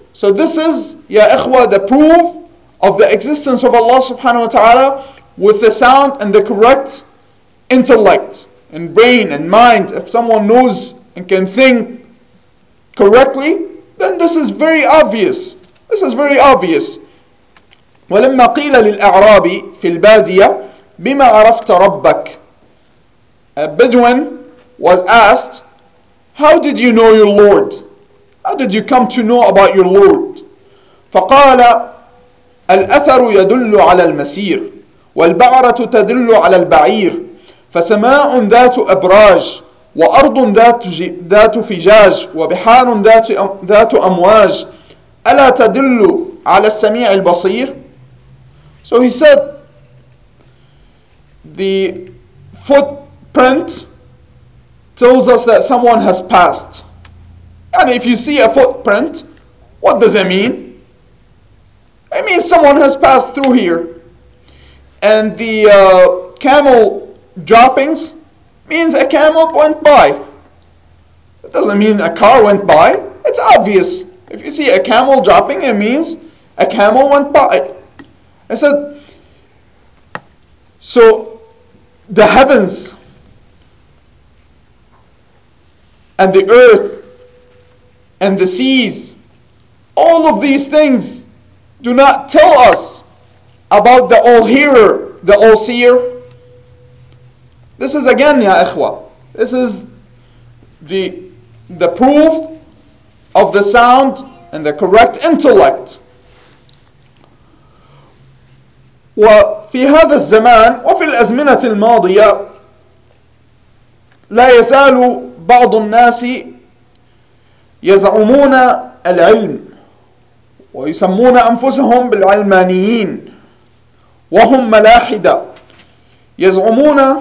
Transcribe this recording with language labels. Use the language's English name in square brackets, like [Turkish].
[English] So this is, ya ikhwa, the proof of the existence of Allah subhanahu wa ta'ala with the sound and the correct intellect and brain and mind. If someone knows and can think correctly, then this is very obvious. This is very obvious. [Arabic] ولما قيل للأعرابي في البادية بما عرفت ربك. [English] A Bedouin was asked, how did you know your Lord? How did you come to know about your Lord? [Arabic] فقال الأثر يدل على المسير والبعرة تدل على البعير فسماء ذات أبراج وأرض ذات فجاج وبحار ذات أمواج ألا تدل على السميع البصير؟ [English] So he said, the footprint tells us that someone has passed. And if you see a footprint, what does it mean? It means someone has passed through here. And the camel droppings means a camel went by. It doesn't mean a car went by. It's obvious. If you see a camel dropping, it means a camel went by. I said, so the heavens and the earth and the seas, all of these things do not tell us about the all-hearer, the all-seer. This is again, ya ikhwa, this is the proof of the sound and the correct intellect. [Arabic] وفي هذا الزمان وفي الأزمنة الماضية لا يزال بعض الناس يزعمون العلم ويسمون أنفسهم بالعلمانيين وهم ملاحدة يزعمون